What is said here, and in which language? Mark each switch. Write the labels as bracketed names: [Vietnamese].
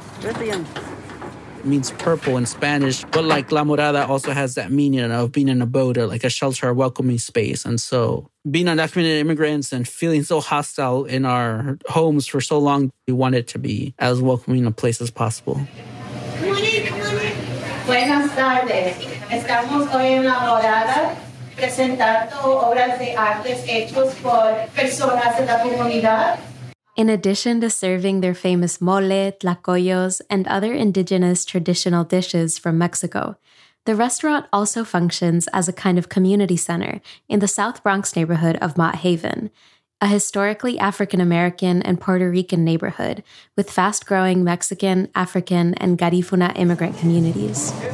[English] It means purple in Spanish, but like La Morada also has that meaning of being in a boat or like a shelter, a welcoming space. And so being undocumented immigrants and feeling so hostile in our homes for so long, we want it to be as welcoming a place as possible. [Spanish] Buenas tardes. Estamos hoy en La Morada presentando obras de arte hechos por personas de la comunidad. [English] In addition to serving their famous mole, tlacoyos, and other indigenous traditional dishes from Mexico, the restaurant also functions as a kind of community center in the South Bronx neighborhood of Mott Haven, a historically African-American and Puerto Rican neighborhood with fast-growing Mexican, African, and Garifuna immigrant communities.